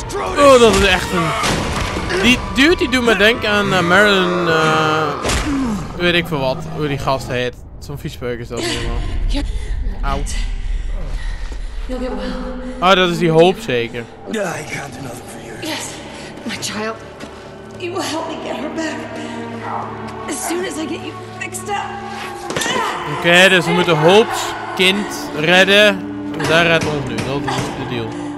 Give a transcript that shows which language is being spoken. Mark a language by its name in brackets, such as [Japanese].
[Dutch] Oh, dat is echt een... Die dude die doet me denken aan Marilyn, weet ik veel wat, hoe die gast heet. Zo'n viespeuk is dat helemaal. Auw. Oh, dat is die hoop zeker. Ik heb nog een voor jou. Ja, mijn kind. Je zal me helpen haar terug. [English] As soon as I get you fixed up. [Dutch] Oké, dus we moeten Hope's kind redden. Zij redt ons nu, dat is de deal.